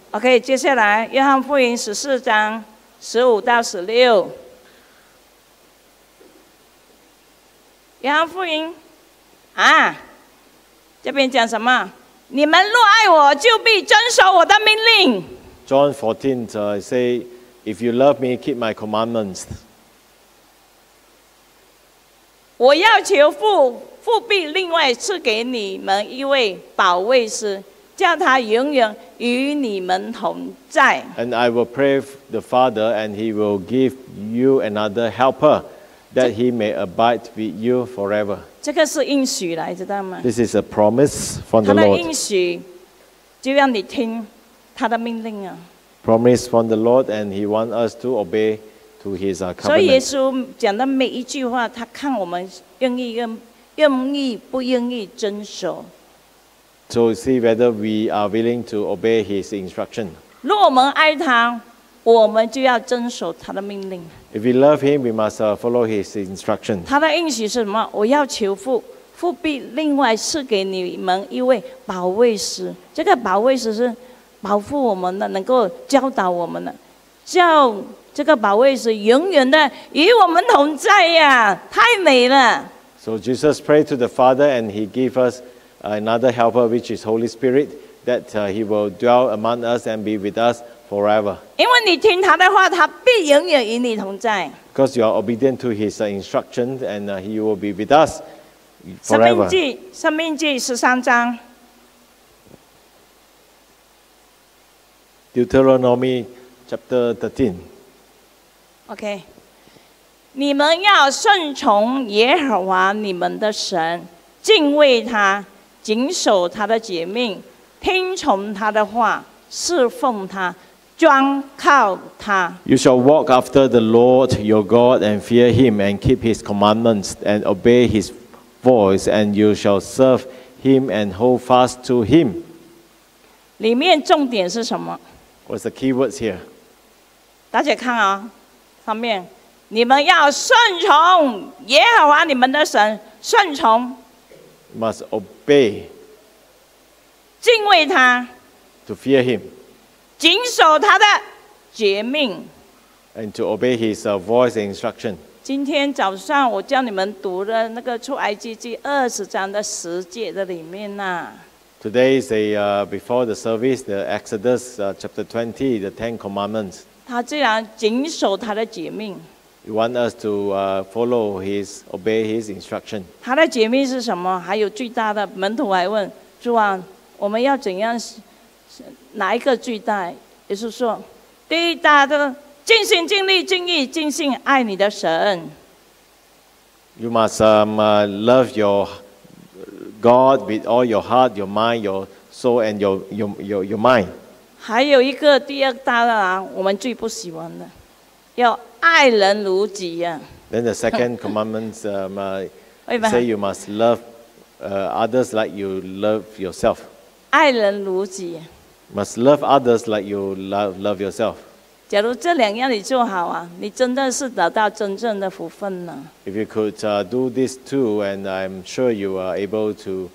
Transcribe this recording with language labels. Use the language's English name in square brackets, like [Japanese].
[Chinese] OK， 接下来约翰福音十四章十五到十六。约翰福音啊，这边讲什么？你们若爱我，就必遵守我的命令。 [English] John 14 say, if you love me, keep my commandments. [Chinese] 我要求父必另外赐给你们一位保卫师，叫他永远与你们同在。 [English] And I will pray the Father, and he will give you another helper. That he may abide with you forever. [Chinese] 这个是应许来，知道吗？ [English] This is a promise from the Lord. [Chinese] 他的应许就让你听他的命令啊。 [English] Promise from the Lord, and he wants us to obey to his covenant. [Chinese] 所以耶稣讲的每一句话，他看我们愿意不愿意遵守。 [English] So see whether we are willing to obey his instruction. [Chinese] 如果我们爱他。我们就要遵守他的命令。 [English] If we love him, we must follow his instruction. [Chinese] 他的应许是什么？我要求父必另外赐给你们一位保卫师。这个保卫师是保护我们的，能够教导我们的，叫这个保卫师永远的与我们同在呀！太美了。 [English] So Jesus prayed to the Father, and he gave us another helper, which is Holy Spirit, that he will dwell among us and be with us. Forever. [Chinese] 因为你听他的话，他必永远与你同在。 [English] Because you are obedient to his instructions, and he will be with us forever. [Chinese] 生命记十三章。 [English] Deuteronomy chapter 13. Okay. [Chinese] 你们要顺从耶和华你们的神，敬畏他，谨守他的诫命，听从他的话，侍奉他。专靠他。 [English] You shall walk after the Lord your God and fear him and keep his commandments and obey his voice and you shall serve him and hold fast to him. [Chinese] 里面重点是什么？ [English] What's the key words here? [Chinese] 大家看啊，上面，你们要顺从耶和华你们的神，顺从。 [English] Must obey. [Chinese] 敬畏他。 [English] To fear him. [Chinese] 谨守他的诫命 [English] ，and to obey his voice and instruction. [Chinese] 今天早上我叫你们读的那个出埃及记二十章的十节的里面呐、啊。 [English] Today is a before the service the Exodus chapter 20 the Ten Commandments. [Chinese] 他既然谨守他的诫命 [English] ，he want us to follow his obey his instruction. [Chinese] 他的诫命是什么？还有最大的门徒还问主啊，我们要怎样？哪一个最大？也是说，第一大的尽心尽力尽意尽心爱你的神。 [English] You must love your God with all your heart, your mind, your soul, and your mind. [Chinese] 还有一个第二大的、啊，我们最不喜欢的，要爱人如己呀、啊。 [English] Then the second commandment say you must love others like you love yourself. [Chinese] 爱人如己。 [English] Must love others like you love yourself. [Chinese] 假如这两样你做好啊，你真的是得到真正的福分了。 [English] If you could do this too, and I'm sure you are able to.